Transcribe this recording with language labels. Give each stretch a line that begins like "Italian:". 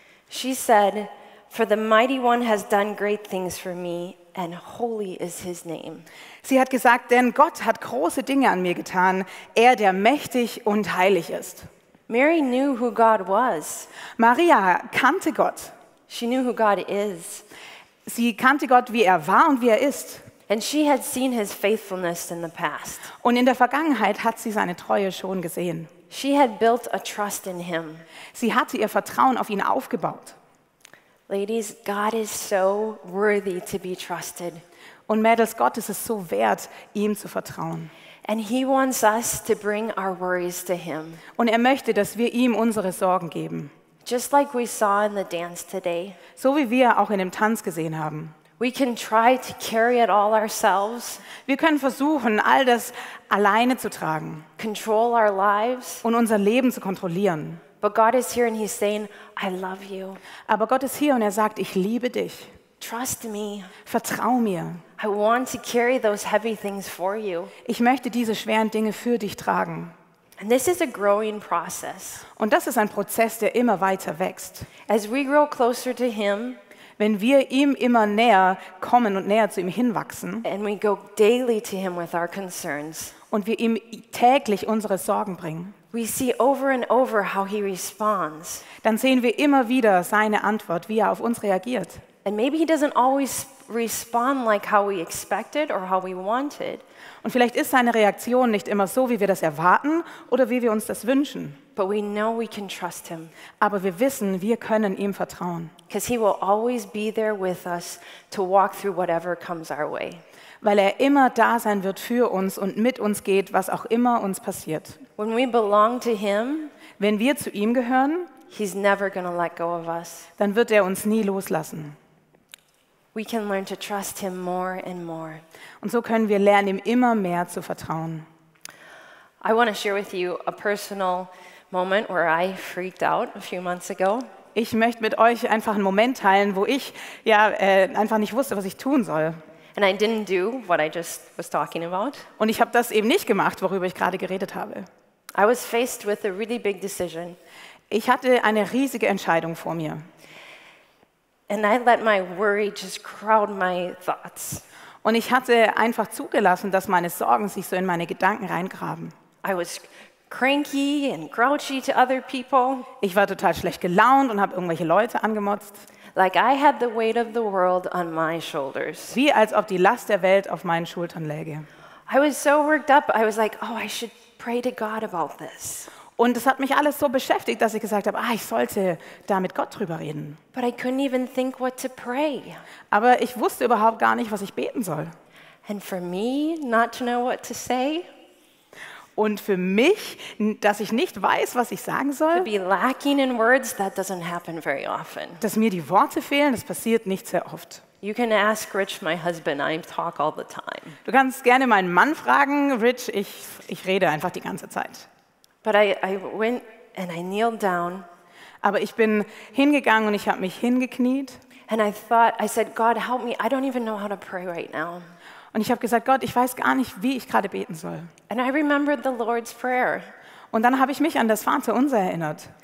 English: She said, "For the mighty one has done great things for me, and holy is his name."
German: Sie hat gesagt, denn Gott hat große Dinge an mir getan, er, der mächtig und heilig ist.
English: Mary knew who God was.
German: Maria kannte Gott.
English: She knew who God is.
German: Sie kannte Gott, wie er war und wie er ist.
English: And she had seen his faithfulness in the past.
German: Und in der Vergangenheit hat sie seine Treue schon gesehen.
English: She had built a trust in him.
German: Sie hatte ihr Vertrauen auf ihn aufgebaut.
English: Ladies, God is so worthy to be trusted.
German: Und Mädels, Gott ist es so wert, ihm zu vertrauen.
English: And he wants us to bring our worries to him.
German: Und er möchte, dass wir ihm unsere Sorgen geben.
English: Just like we saw in the dance today.
German: So wie wir auch in dem Tanz gesehen haben.
English: We can try to carry it all ourselves.
German: Wir können versuchen, all das alleine zu tragen.
English: Control our lives.
German: Und unser Leben zu kontrollieren.
English: But God is here and he's saying, I love you.
German: Aber Gott ist hier und er sagt, ich liebe dich.
English: Trust me.
German: Vertrau mir.
English: I want to carry those heavy things for you.
German: Ich möchte diese schweren Dinge für dich tragen.
English: And this is a growing process.
German: Und das ist ein Prozess, der immer weiter wächst.
English: As we grow closer to him,
German: wenn wir ihm immer näher kommen und näher zu ihm hinwachsen,
English: and we go daily to him with our concerns,
German: und wir ihm täglich unsere Sorgen bringen,
English: we see over and over how he responds.
German: Dann sehen wir immer wieder seine Antwort, wie er auf uns reagiert.
English: And maybe he doesn't always respond like how we expected or how we wanted.
German: Und vielleicht ist seine Reaktion nicht immer so, wie wir das erwarten oder wie wir uns das wünschen.
English: But we know we can trust him.
German: Aber wir wissen, wir können ihm vertrauen.
English: Because he will always be there with us to walk through whatever comes our way.
German: Weil er immer da sein wird für uns und mit uns geht, was auch immer uns passiert.
English: When we belong to him,
German: wenn wir zu ihm gehören,
English: he's never gonna let go of us.
German: Dann wird er uns nie loslassen.
English: We can learn to trust him more and more.
German: Und so können wir lernen, ihm immer mehr zu vertrauen.
English: I want to share with you a personal moment where I freaked out a few months ago.
German: Ich möchte mit euch einfach einen Moment teilen, wo ich einfach nicht wusste, was ich tun soll.
English: And I didn't do what I just was talking about.
German: Und ich habe das eben nicht gemacht, worüber ich gerade geredet habe.
English: I was faced with a really big decision.
German: Ich hatte eine riesige Entscheidung vor mir.
English: And I let my worry just crowd my thoughts.
German: Und ich hatte einfach zugelassen, dass meine Sorgen sich so in meine Gedanken reingraben.
English: I was cranky and grouchy to other people.
German: Ich war total schlecht gelaunt und habe irgendwelche Leute angemotzt.
English: Like I had the weight of the world on my shoulders.
German: Wie als ob die Last der Welt auf meinen Schultern läge.
English: I was so worked up. I was like, oh, I should pray to God about this.
German: Und es hat mich alles so beschäftigt, dass ich gesagt habe, ich sollte da mit Gott drüber reden.
English: But I couldn't even think what to pray.
German: Aber ich wusste überhaupt gar nicht, was ich beten soll.
English: And for me not to know what to say.
German: Und für mich, dass ich nicht weiß, was ich sagen soll.
English: To be lacking in words, that doesn't happen very often.
German: Dass mir die Worte fehlen, das passiert nicht sehr oft.
English: You can ask Rich, my husband. I talk all the time.
German: Du kannst gerne meinen Mann fragen, Rich, ich rede einfach die ganze Zeit.
English: But I went and I kneeled down.
German: Aber ich bin hingegangen und ich habe mich hingekniet.
English: And I thought, I said, God, help me. I don't even know how to pray right now.
German: Und ich habe gesagt, Gott, ich weiß gar nicht, wie ich gerade beten soll.
English: And I remembered the Lord's Prayer.
German: Und dann habe ich mich an das Vaterunser erinnert.